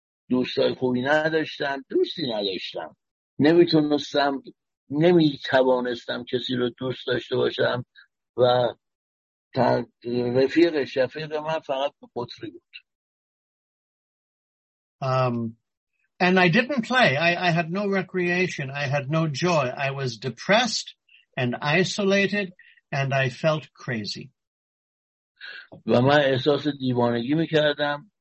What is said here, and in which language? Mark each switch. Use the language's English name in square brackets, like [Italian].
[Persian] دوستای خوبی نداشتم. دوستی نداشتم. نمیتوانستم کسی رو دوست داشته باشم و رفیق شفیق من فقط بطری بود. [English] And I didn't play. I had no recreation. I had no joy. I was depressed and isolated and I felt crazy. [Persian] و من احساس دیوانگی میکردم.